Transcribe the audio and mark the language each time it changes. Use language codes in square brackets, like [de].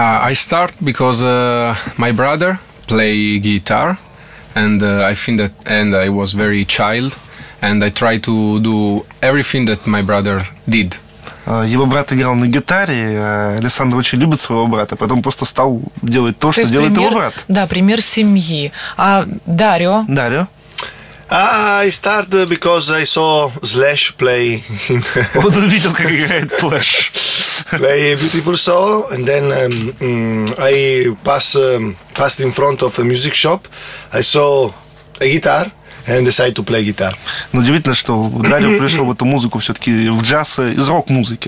[en] I start because my brother play guitar, and I think that and I was very child, and I try to do everything that my brother did. [ru] Его брат играл на гитаре, Александр очень любит своего брата, потом просто стал делать то, что делает его брат. Да, пример семьи. А Дарио? Дарио. [en] I started because I saw Slash play. [ru] Вот увидел, как играет Slash. [en] Play a beautiful solo, and then I passed in front of a music shop. I saw a guitar. And decide to play guitar. [ru] Ну, удивительно, что Дарио пришел в эту музыку все-таки в джаз из рок-музыки.